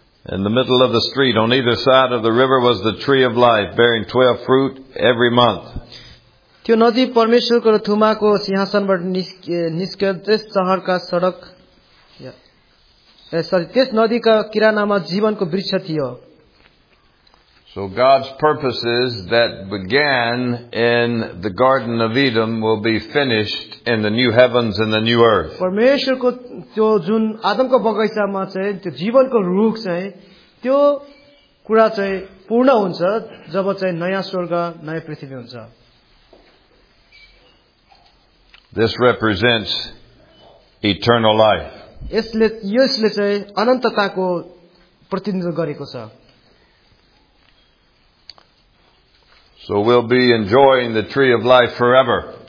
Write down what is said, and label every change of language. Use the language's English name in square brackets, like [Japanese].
[English] In the middle of the street, on either side of the river, was the tree of life, bearing 12 fruit every month. [Nepali] त्यो नदी परमेश्वरको थुमाको सिंहासनबाट निस्केर त्यस शहरका सडक सरी त्यस नदीका किरानामा जीवनको वृक्ष थियो. [English] So God's purposes that began in the Garden of Eden will be finished in the new heavens and the new earth. [Nepali] परमेश्वरको त्यो जुन आदमको बगैँचामा चाहिँ त्यो जीवनको रुख चाहिँ त्यो कुरा चाहिँ पूर्ण हुन्छ जब चाहिँ नयाँ स्वर्ग नयाँ पृथ्वी हुन्छ. [English] This represents eternal life. [Nepali] यसले चाहिँ अनन्तताको प्रतिनिधित्व गरेको छ. [English] So we'll be enjoying the tree of life forever.